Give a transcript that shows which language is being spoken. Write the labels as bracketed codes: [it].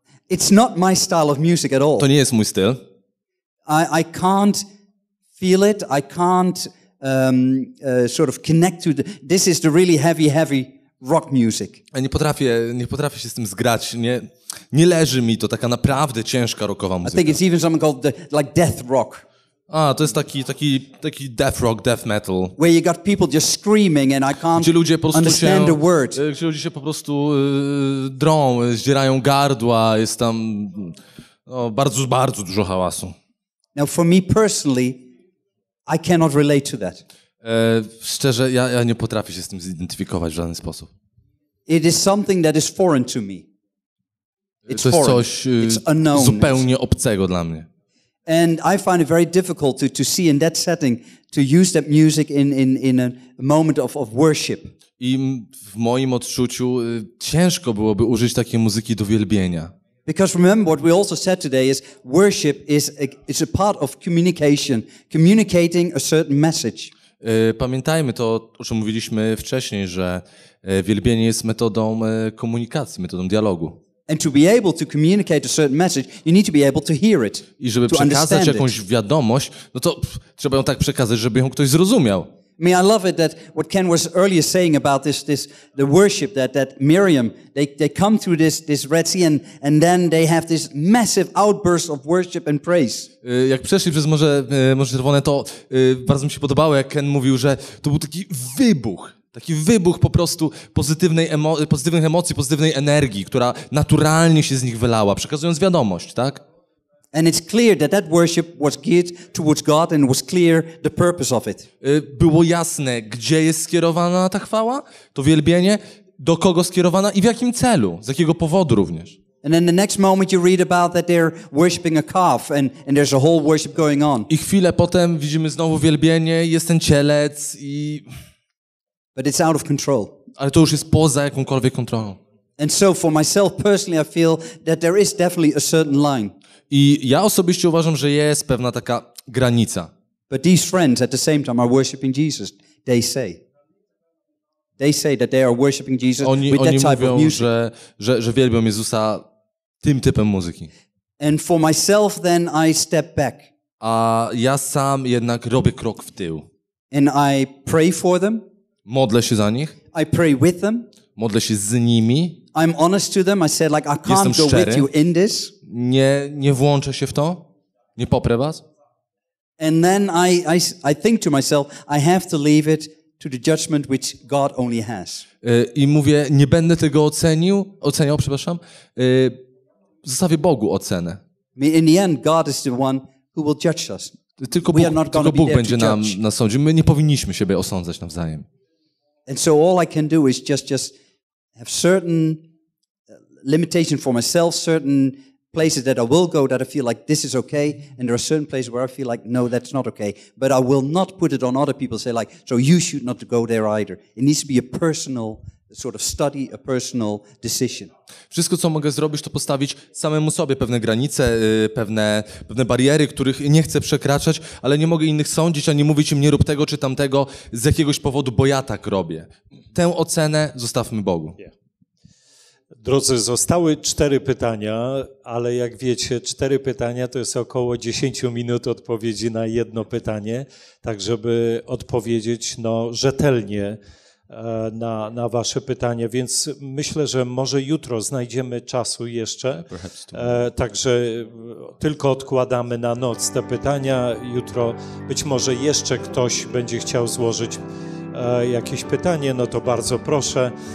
[en] It's not my style of music at all. [pl] To nie jest mój styl. [en] I can't feel it, I can't sort of connect to this is the really heavy rock music. [pl] Nie potrafię się z tym zgrać, nie leży mi to, taka naprawdę ciężka rockowa muzyka. [en] I think it's even something called like death rock. [pl] A to jest taki death rock, death metal. [en] Where you got people just screaming and I can't understand a word. [pl] Gdzie ludzie się po prostu drą, zdzierają gardła, jest tam bardzo bardzo dużo hałasu. [en] Now for me personally I cannot relate to that. [pl] Szczerze, ja nie potrafię się z tym zidentyfikować w żaden sposób. [en] It is something that is foreign to me. [pl] To jest coś zupełnie obcego dla mnie. [en] And I find it very difficult to see in that setting to use that music in a moment of worship. [pl] I w moim odczuciu ciężko byłoby użyć takiej muzyki do wielbienia. [en] Because remember what we also said today is worship is a part of communication, communicating a certain message. [pl] Pamiętajmy to, o czym mówiliśmy wcześniej, że wielbienie jest metodą komunikacji, metodą dialogu. [en] And to be able to communicate a certain message, you need to be able to hear it. [pl] I żeby przekazać jakąś wiadomość, no to trzeba ją tak przekazać, żeby ją ktoś zrozumiał. [en] I mean, I love it that what Ken was earlier saying about this the worship that Miriam they come through this Red Sea and then they have this massive outburst of worship and praise. [pl] Jak przeszli przez Morze Czerwone, to bardzo mi się podobało, jak Ken mówił, że to był taki wybuch po prostu pozytywnych emocji, pozytywnej energii, która naturalnie się z nich wylała, przekazując wiadomość, tak? [en] And it's clear that worship was geared towards God and was clear the purpose of it. [pl] Było jasne, gdzie jest skierowana ta chwała, to wielbienie, do kogo skierowana i w jakim celu, z jakiego powodu również. [en] And then the next moment you read about that they're worshiping a calf and there's a whole worship going on. [pl] I chwilę potem widzimy znowu wielbienie, jest ten cielec i [en] but it's out of control. [pl] Ale to już jest poza jakąkolwiek kontrolą. [en] And so for myself personally I feel that there is definitely a certain line. [pl] I ja osobiście uważam, że jest pewna taka granica. [en] But these friends at the same time are worshiping Jesus, they say. They say that they are worshiping Jesus with that type of music. [pl] Oni mówią, że wielbią Jezusa tym typem muzyki. [en] And for myself then I step back. [pl] A ja sam jednak robię krok w tył. [en] And I pray for them. [pl] Modlę się za nich. [en] I pray with them. [pl] Modlę się z nimi. [en] I'm honest to them. I said like I can't go with you in this. [pl] Nie włączę się w to. Nie poprę was. [en] And then I think to myself, I have to leave it to the judgment which God only has. [pl] I mówię, nie będę tego oceniał, przepraszam. Zostawię Bogu ocenę. [en] In the end God is the one who will judge us. [pl] Tylko Bóg będzie nas sądził. My nie powinniśmy siebie osądzać nawzajem. [en] And so all I can do is just have certain limitation for myself, certain places that I will go that I feel like this is okay, and there are certain places where I feel like no, that's not okay. But I will not put it on other people, say like, so you should not go there either. It needs to be a personal sort of study a personal decision. [pl] Wszystko, co mogę zrobić, to postawić samemu sobie pewne granice, pewne bariery, których nie chcę przekraczać, ale nie mogę innych sądzić, ani mówić im nie rób tego czy tamtego z jakiegoś powodu, bo ja tak robię. Tę ocenę zostawmy Bogu. Drodzy, zostały cztery pytania, ale jak wiecie, cztery pytania to jest około 10 minut odpowiedzi na jedno pytanie, tak żeby odpowiedzieć no, rzetelnie na wasze pytania, więc myślę, że może jutro znajdziemy czasu jeszcze, także tylko odkładamy na noc te pytania, jutro być może jeszcze ktoś będzie chciał złożyć jakieś pytanie, no to bardzo proszę.